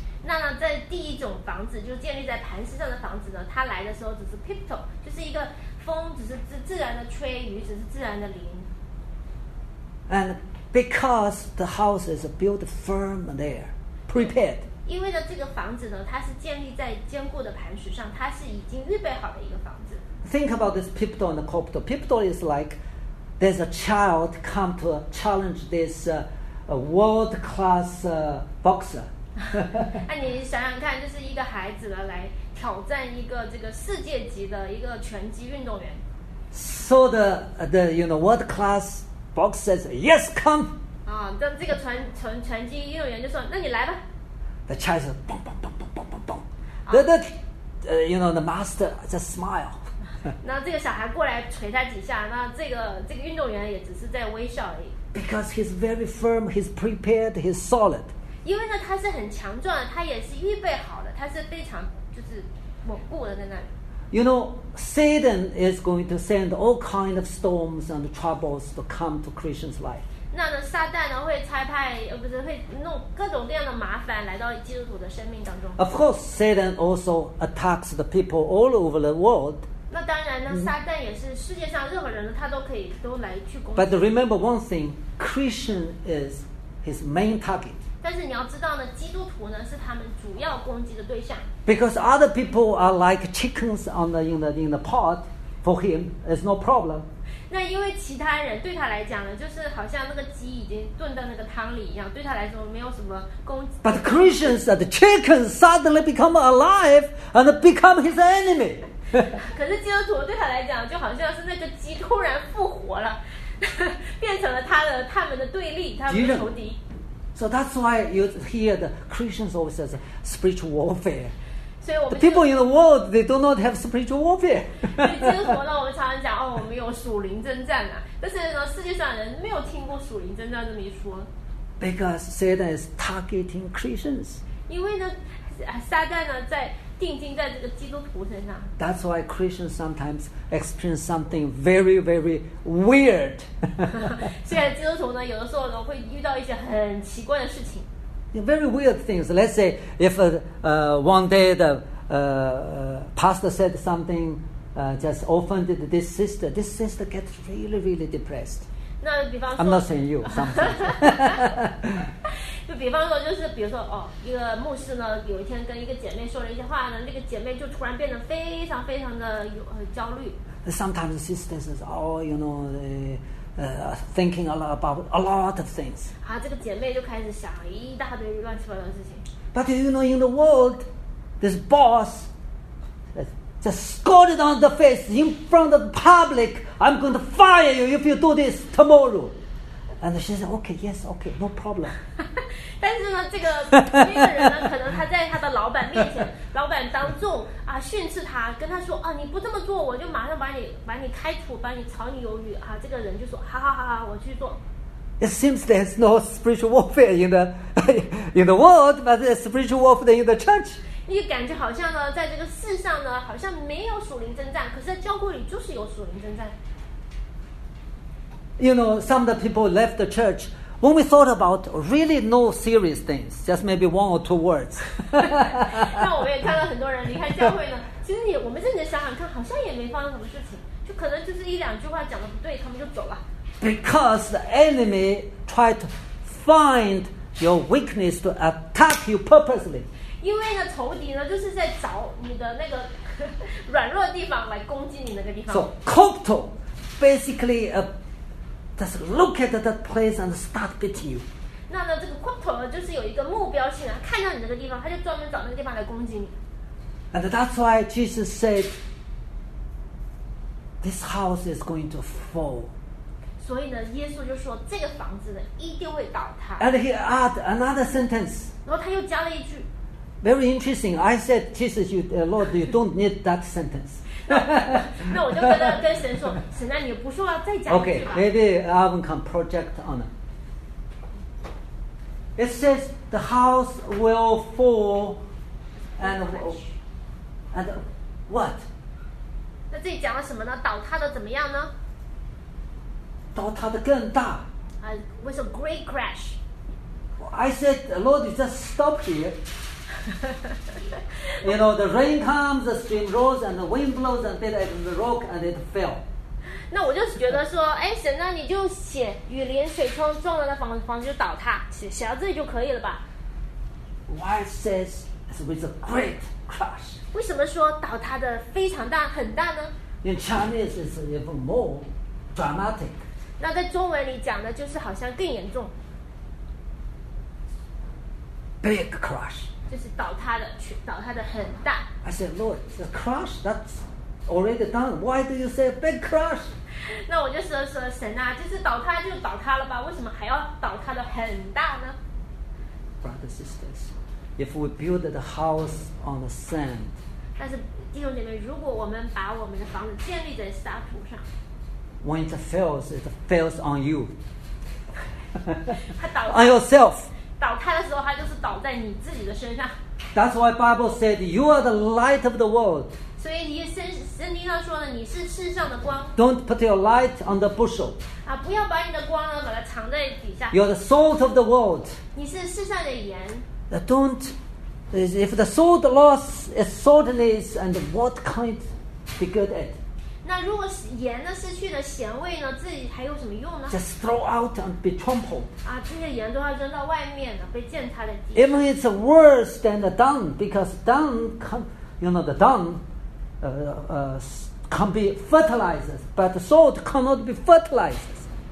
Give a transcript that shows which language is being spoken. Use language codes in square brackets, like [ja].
[zh] 那在第一种房子，就是建立在磐石上的房子呢，它来的时候只是 piptal, 就是一个风只是自然的吹，雨只是自然的淋。 [en] And because the house is built firm there, prepared. [zh] 因为呢，这个房子呢，它是建立在坚固的磐石上，它是已经预备好的一个房子。 [en] Think about this Pipto and the Copto. Pipto is like there's a child come to challenge this world class boxer. [zh] 那你想想看，就是一个孩子呢来挑战一个这个世界级的一个拳击运动员。 [en] So the you know world class boxer says yes, come. [zh] 啊，这个拳击运动员就说，那你来吧。 [en] The child says, boom, boom, boom, boom, boom, boom, boom. You know, the master just smile. [zh] 那这个小孩过来捶他几下，那这个运动员也只是在微笑而已。 [en] Because he's very firm, he's prepared, he's solid. [zh] 因为呢，他是很强壮的，他也是预备好的，他是非常就是稳固的在那里。 [en] You know, Satan is going to send all kinds of storms and troubles to come to Christian's life. [zh] 那呢，撒旦呢会差派，不是会弄各种各样的麻烦来到基督徒的生命当中。 [en] Of course, Satan also attacks the people all over the world. [zh] 那当然呢，撒旦也是世界上任何人他都可以都来去攻击。 [en] But remember one thing, Christian is his main target. [zh] 但是你要知道呢，基督徒呢是他们主要攻击的对象。 [en] Because other people are like chickens on the in the pot, for him it's no problem. [zh] 那因为其他人对他来讲呢，就是好像那个鸡已经炖到那个汤里一样，对他来说没有什么攻击。 [en] But Christians are the chickens suddenly become alive and become his enemy. [zh] 可是基督徒对他来讲，就好像是那个鸡突然复活了，变成了他们的对立，他们的仇敌。 [en] So that's why you hear the Christians always says spiritual warfare. [zh] 所以我们 [en] the people in the world they do not have spiritual warfare. [zh] 所以基督徒呢，我们常常讲哦，我们有属灵征战啊。但是呢，世界上人没有听过属灵征战这么一说。 [en] Because Satan is targeting Christians. [zh] 因为呢，撒旦呢在定睛在这个基督徒身上。 [en] That's why Christians sometimes experience something very, very weird. [zh] 所以基督徒呢，有的时候呢会遇到一些很奇怪的事情。 [en] Very weird things. Let's say if one day the pastor said something, just offended this sister. This sister gets really, really depressed. [zh] 那比方说 [en] ，I'm not saying you. Sometimes. [zh] 就比方说，就是比如说，哦，一个牧师呢，有一天跟一个姐妹说了一些话呢，那个姐妹就突然变得非常非常的焦虑。 [en] Sometimes sister says, "Oh, you know, thinking a lot about a lot of things." [zh] 啊，这个姐妹就开始想一大堆乱七八糟的事情。 [en] But you know, in the world, this boss just scolded on the face in front of the public. I'm going to fire you if you do this tomorrow. And she said, "Okay, yes, okay, no problem." [zh] 但是呢，这个人呢，可能他在他的老板面前，老板当众啊训斥他，跟他说啊，你不这么做，我就马上把你开除，把你炒你鱿鱼啊。这个人就说，好好好好，我去做。 [en] It seems there's no spiritual warfare in the world, but there's spiritual warfare in the church. [zh] 你感觉好像呢，在这个世上呢，好像没有属灵征战，可是在教会里就是有属灵征战。 [en] You know, some of the people left the church when we thought about really no serious things, just maybe one or two words. [zh] 那我们也看到很多人离开教会呢。其实你，我们认真想想看，好像也没发生什么事情，就可能就是一两句话讲的不对，他们就走了。 [en] Because the enemy tried to find your weakness to attack you purposely. [zh] 因为呢，仇敌呢就是在找你的那个软弱的地方来攻击你那个地方。 [en] So Copto, basically a Just look at that place and start beating you. [zh] 那呢，这个 Copto 就是有一个目标性啊，看到你那个地方，他就专门找那个地方来攻击你。 [en] And that's why Jesus said, "This house is going to fall." [zh] 所以呢，耶稣就说这个房子呢一定会倒塌。 [en] And he added another sentence. [zh] 然后他又加了一句。 [en] Very interesting. I said, "Jesus, you, Lord, you don't need that sentence." [zh] 那我就跟神说，神啊，你不说要再讲一句吧。 [en] Okay, maybe Alvin can project on it. It says the house will fall and what? [zh] 那这里讲了什么呢？倒塌的怎么样呢？倒塌的更大。 [en] With a great crash. I said, Lord, you just stop here. You know, the rain comes, the stream rolls, and the wind blows and bit at the rock, and it fell. [zh] 那我就觉得说，哎，神啊，你就写雨淋、水冲撞了那房子就倒塌，写到这里就可以了吧 [en] Why it says it's with a great crush? [zh] 为什么说倒塌的非常大很大呢？ [en] In Chinese it's even more dramatic. [zh] 那在中文里讲的就是好像更严重。 [en] Big crush. [zh] 就是倒塌的，倒塌的很大。 [en] I said, Lord, the crush that's already done. Why do you say big crush? [zh] 那我就说说神啊，就是倒塌就倒塌了吧，为什么还要倒塌的很大呢？ [en] Brothers and sisters, if we build the house on the sand, [zh] 但是弟兄姐妹，如果我们把我们的房子建立在沙土上， [en] when it fails on you, [zh] 它倒 [en] on yourself, [zh] 倒塌的时候，它就是倒在你自己的身上。 [en] That's why Bible said you are the light of the world. [zh] 所以圣经上说的，你是世上的光。 [en] Don't put your light on the bushel. [zh] 啊，不要把你的光呢，把它藏在底下。 [en] You are the salt of the world. [zh] 你是世上的盐。 [en] Don't, if the salt lost its saltiness, and what kind be good at? [zh] 那如果盐呢失去了咸味呢，自己还有什么用呢？ [en] Just throw out and be trampled. [zh] 啊，这些盐都要扔到外面了，被践踏在地 [en] Even it's worse than the dung, because dung come, you know, the dung, can be fertilized, but the salt cannot be fertilized.